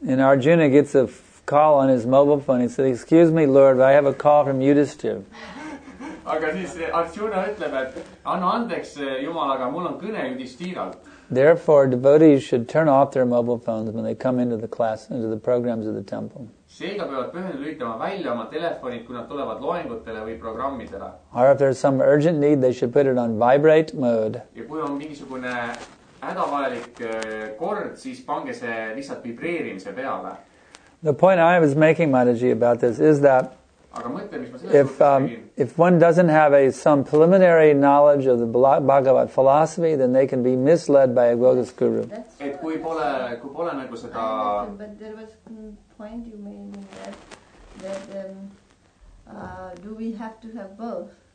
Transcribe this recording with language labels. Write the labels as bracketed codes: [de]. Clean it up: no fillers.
[en] And Arjuna gets a call on his mobile phone. He says, "Excuse me, Lord, but I have a call from Yudhishthir." [et] Aga siis Arjuna ütleb, et anna andeks Jumal, aga mul on kõne Yudhishthiralt. [en] Therefore, devotees should turn off their mobile phones when they come into the class, into the programs of the temple. [et] Seega peavad pühendud lülitama välja oma telefonid, kui nad tulevad loengutele või programmidele. [en] Or if there's some urgent need, they should put it on vibrate mode. [et] Ja kui on mingisugune hädavajalik kord, siis pange see lihtsalt vibreerimise peale. [en] The point I was making, Mataji, about this is that if one doesn't have some preliminary knowledge of the Bhagavad philosophy, then they can be misled by a bogus guru. [et] Et kui pole nagu seda. [en] But there was a point you made in that do we have to have both?